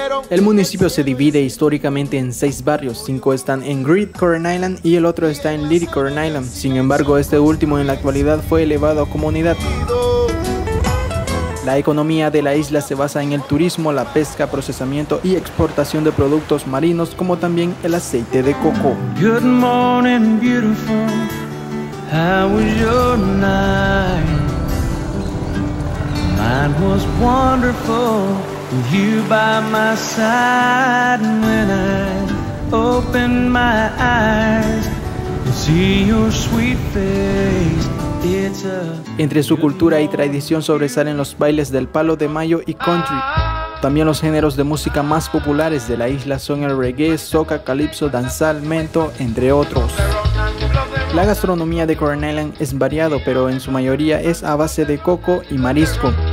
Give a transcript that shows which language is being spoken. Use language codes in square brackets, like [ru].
[es] El municipio se divide históricamente en 6 barrios, 5 están en Great Coron Island y el otro está en Little Coron Island, sin embargo este último en la actualidad fue elevado a comunidad. La economía de la isla se basa en el turismo, la pesca, procesamiento y exportación de productos marinos, como también el aceite de coco. [en] Good morning, beautiful. How was your night? Mine was wonderful. You by my side, and when I open my eyes and see your sweet face. [es] Entre su cultura y tradición sobresalen los bailes del palo de mayo y country. También los géneros de música más populares de la isla son el reggae, soca, calipso, danzal, mento, entre otros. La gastronomía de Coron Island es variado, pero en su mayoría es a base de coco y marisco.